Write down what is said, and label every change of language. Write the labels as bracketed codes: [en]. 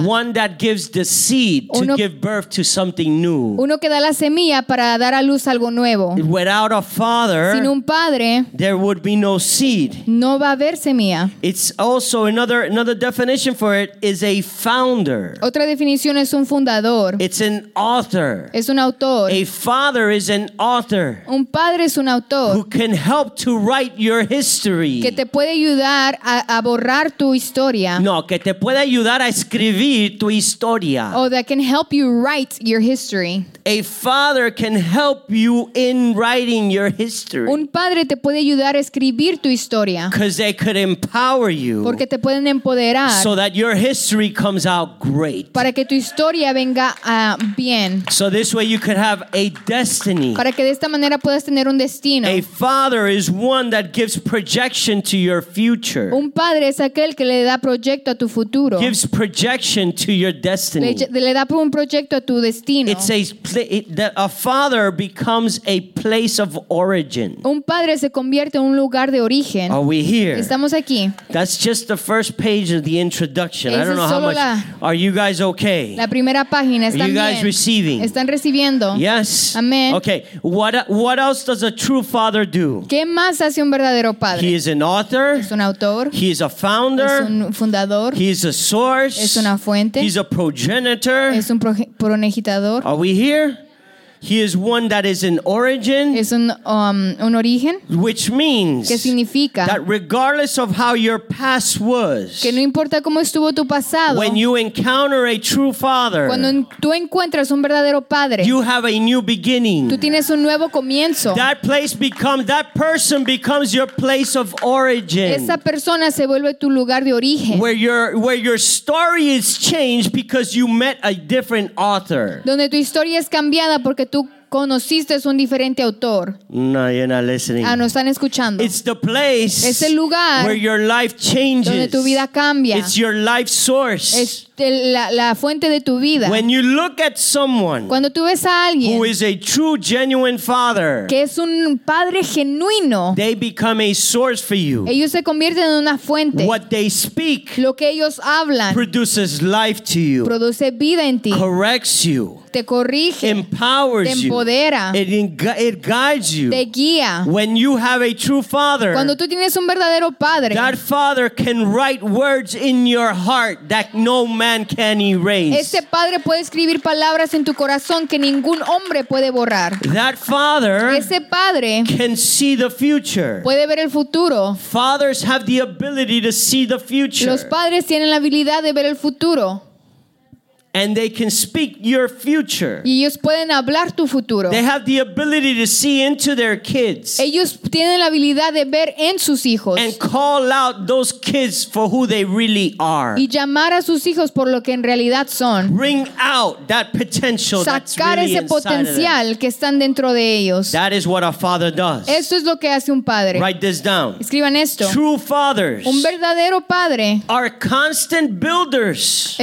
[en] One that gives the seed to give birth to something new. [es] Uno que da la semilla para dar a luz algo nuevo. [en] Without a father, [es] sin un padre, [en] there would be no seed. [es] No va a haber semilla. [en] It's also another definition for it is a founder. [es] Otra definición es un fundador. [en] It's an author. [es] Es un autor. [en] A father is an author. [es] Un padre es un autor. [en] Who can help to write your history. [es] Que te puede ayudar a borrar tu historia. No, que te puede ayudar a escribir tu historia. [en] Oh, that can help you write your history. A father can help you in writing your history. [es] Un padre te puede ayudar a escribir tu historia. [en] Because they could empower you. [es] Porque te pueden empoderar. [en] So that your history comes out great. [es] Para que tu historia venga bien. [en] So this way you could have a destiny. [es] Para que de esta manera puedas tener un destino. [en] A father is one that gives projection to your future. [es] Un padre es aquel que le da proyecto a tu futuro. [en] Gives projection to your destiny. [es] Le da un proyecto a tu destino. [en] It's a father becomes a place of origin. [es] Un padre se convierte en un lugar de origen. [en] Are we here? [es] Estamos aquí. [en] That's just the first page of the introduction. [es] Es [en] I don't know how much. Are you guys okay? [es] La primera página. [en] Are you guys receiving? [es] Están recibiendo. [en] Yes. Amen. Okay. What else does a true father do? [es] ¿Qué más hace un verdadero padre? [en] He is an author. [es] Es un autor. [en] He is a founder. [es] Es un fundador. [en] He is a source. [es] Es una fuente. [en] He's a progenitor. [es] Es un progenitor. [en] Are we here? He is one that is an origin. [es] Es un origen. [en] Which means [es] que significa [en] that regardless of how your past was, [es] que no importa cómo estuvo tu pasado, [en] when you encounter a true father, [es] cuando tú encuentras un verdadero padre, [en] you have a new beginning. [es] Tú tienes un nuevo comienzo. [en] That place becomes, that person becomes your place of origin. [es] Esa persona se vuelve tu lugar de origen. [en] Where your story is changed because you met a different author. [es] Donde tu historia es cambiada porque tú conociste un diferente autor. [en] No, you're not listening. [es] Ah, no están escuchando. [en] It's the place. [es] Es el lugar [en] where your life changes. [es] Donde tu vida cambia. [en] It's your life source. [es] Es la fuente de tu vida. [en] When you look at someone, [es] cuando tú ves a alguien, [en] who is a true, genuine father, [es] que es un padre genuino, [en] they become a source for you. [es] Ellos se convierten en una fuente. [en] What they speak, [es] lo que ellos hablan, [en] produces life to you. [es] Produce vida en ti. [en] Corrects you. [es] Te corrige. [en] Empowers you. [es] Te empodera. [en] It guides you. [es] Te guía. [en] When you have a true father, [es] cuando tú tienes un verdadero padre, [en] that father can write words in your heart that no man can erase. [es] Ese padre puede escribir palabras en tu corazón que ningún hombre puede borrar. [en] That father, [es] ese padre, [en] can see the future. [es] Puede ver el futuro. [en] Fathers have the ability to see the future. [es] Los padres tienen la habilidad de ver el futuro. [en] And they can speak your future. [es] Y ellos pueden hablar tu futuro. [en] They have the ability to see into their kids. [es] Ellos tienen la habilidad de ver en sus hijos. [en] And call out those kids for who they really are. [es] Y llamar a sus hijos por lo que en realidad son. [en] Bring out that potential. [es] Sacar [en] that's really [es] ese potencial [en] of them. [es] Que están dentro de ellos. [en] That is what a father does. [es] Eso es lo que hace un padre. [en] Write this down. [es] Escriban esto. [en] True fathers. [es] Un verdadero padre. [en] Are constant builders.